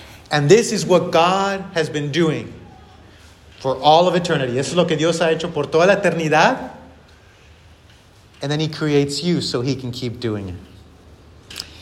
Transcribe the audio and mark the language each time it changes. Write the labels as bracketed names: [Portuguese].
[English] And this is what God has been doing for all of eternity. [Spanish] Eso es lo que Dios ha hecho por toda la eternidad. [English] And then he creates you so he can keep doing it.